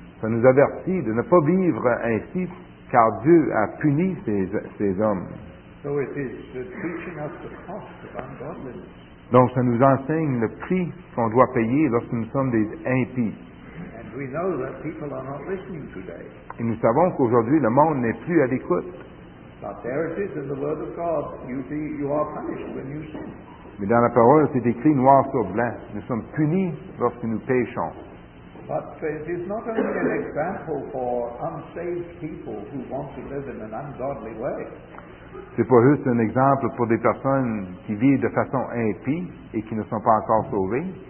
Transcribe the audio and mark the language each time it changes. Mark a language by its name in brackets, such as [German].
[French] Ça nous avertit de ne pas vivre ainsi, car Dieu a puni ces hommes. [English] So it is teaching us the cost of ungodliness. [French] Donc, ça nous enseigne le prix qu'on doit payer lorsque nous sommes des impies. [English] And we know that people are not listening today. [French] Et nous savons qu'aujourd'hui, le monde n'est plus à l'écoute. [English] But there it is in the Word of God. You are punished when you sin. [French] Mais dans la parole, c'est écrit noir sur blanc. Nous sommes punis lorsque nous péchons. [English] But it is not only an example for unsaved people who want to live in an ungodly way. [French] C'est pas juste un exemple pour des personnes qui vivent de façon impie et qui ne sont pas encore sauvées.